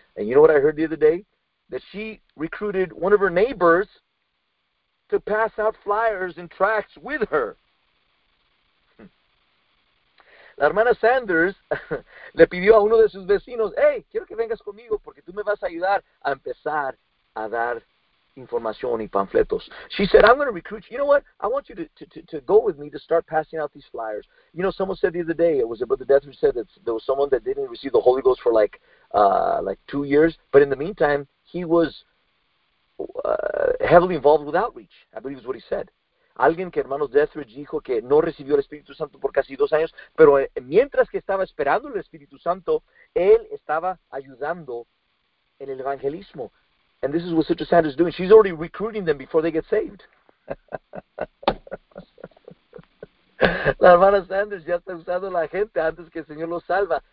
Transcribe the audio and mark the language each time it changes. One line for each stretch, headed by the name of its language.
English: And you know what I heard the other day? That she recruited one of her neighbors to pass out flyers and tracts with her.
Spanish: La hermana Sanders le pidió a uno de sus vecinos, hey, quiero que vengas conmigo porque tú me vas a ayudar a empezar a dar información y panfletos.
English: She said, I'm going to recruit you. You know what? I want you to go with me to start passing out these flyers. You know, someone said the other day, it was Brother Death who said that there was someone that didn't receive the Holy Ghost for like 2 years. But in the meantime, he was heavily involved with outreach, I believe is what he said.
Spanish: Alguien que hermano Deathridge dijo que no recibió el Espíritu Santo por casi 2 años, pero mientras que estaba esperando el Espíritu Santo, él estaba ayudando en el evangelismo.
English: And this is what Sister Sanders is doing. She's already recruiting them before they get saved.
Spanish: La hermana Sanders ya está usando la gente antes que el Señor los salva.